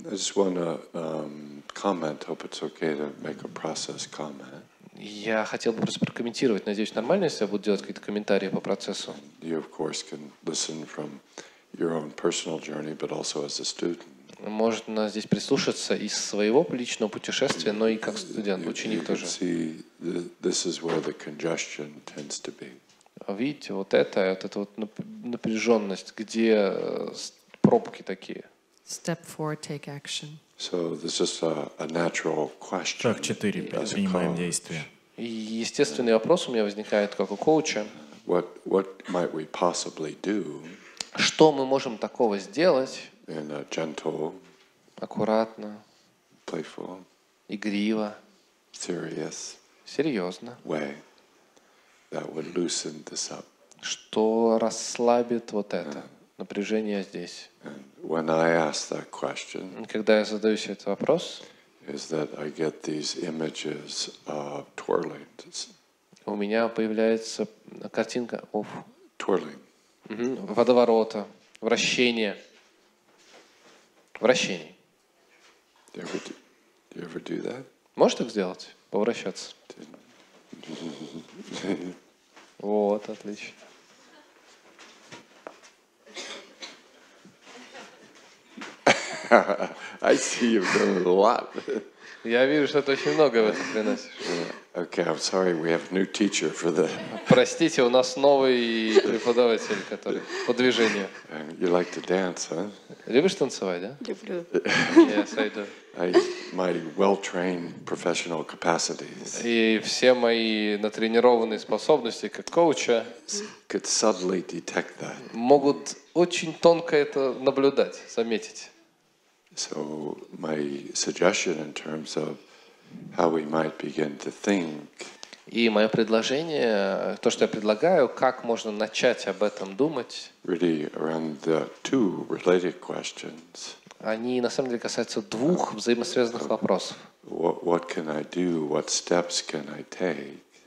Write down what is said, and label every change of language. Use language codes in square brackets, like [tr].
[en] And I just want to comment, hope it's okay to make a process comment. [ru] Я хотел бы просто прокомментировать. Надеюсь, нормально, если я буду делать какие-то комментарии по процессу. [en] You, of course, can listen from your own personal journey, but also as a student. [ru] Можно здесь прислушаться из своего личного путешествия, но и как студент, ученик тоже. [en] This is where the congestion tends to be. [ru] Видите, вот это вот напряженность, где пробки такие. [en] Step four, take action. So this is a natural question. [ru] Шаг 4, принимаем действия. И естественный вопрос у меня возникает как у коуча. [en] What might we possibly do? [ru] Что мы можем такого сделать? [en] In a gentle, [ru] аккуратно, [en] playful, [ru] игриво, [en] serious, [ru] серьезно, [en] way that would loosen this up. [ru] Что расслабит вот это напряжение здесь? [en] And when I ask that question, [ru] когда я задаю себе этот вопрос, [en] is that I get these images of twirling. [ru] У меня появляется картинка [en] twirling. [ru] Водоворота, вращение. Вращение. [en] Do you ever do that? [ru] Можешь так сделать? Повращаться. Вот, отлично. [en] I see you've done a lot. [ru] Я вижу, что ты очень много в этом приносишь. [en] Okay, I'm sorry, we have new teacher for the. [ru] Простите, у нас новый преподаватель, который по движению. [en] You like to dance, huh? [ru] Любишь танцевать, да? Люблю. [en] Yes, I do. My well-trained professional capacities. [ru] И все мои натренированные способности как коуча. [en] Could subtly detect that. [ru] Могут очень тонко это наблюдать, заметить. [en] So my suggestion in terms of how we might begin to think. [ru] И мое предложение, то, что я предлагаю, как можно начать об этом думать. [en] Really around the two related questions. [ru] Они на самом деле касаются двух взаимосвязанных вопросов. [en] What can I do? What steps can I take?